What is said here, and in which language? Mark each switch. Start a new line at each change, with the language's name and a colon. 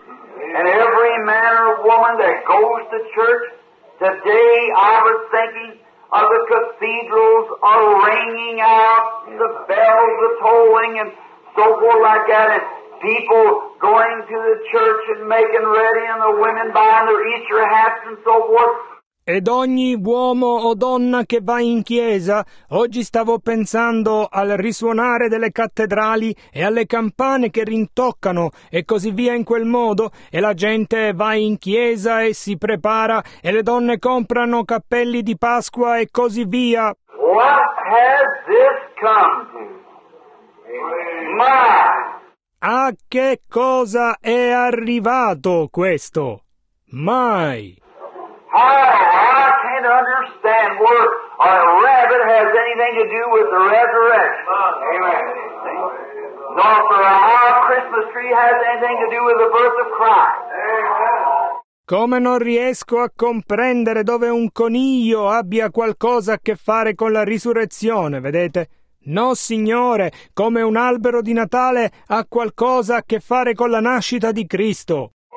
English: And every man or woman that goes to church today, I was thinking of the cathedrals are ringing out, the bells are tolling and so forth like that, and people going to the church and making ready, and the women buying their Easter hats and so forth.
Italian: Ed ogni uomo o donna che va in chiesa, oggi stavo pensando al risuonare delle cattedrali e alle campane che rintoccano e così via in quel modo, e la gente va in chiesa e si prepara e le donne comprano cappelli di Pasqua e così via.
English: What has this come to? My.
Italian: A che cosa è arrivato questo? Mai.
English: I can't understand what a rabbit has anything to do with the resurrection. Amen. Nor for a Christmas tree has anything to do with the birth of Christ.
Italian: Come non riesco a comprendere dove un coniglio abbia qualcosa a che fare con la risurrezione, vedete? No, Signore, come un albero di Natale ha qualcosa a che fare con la nascita di Cristo.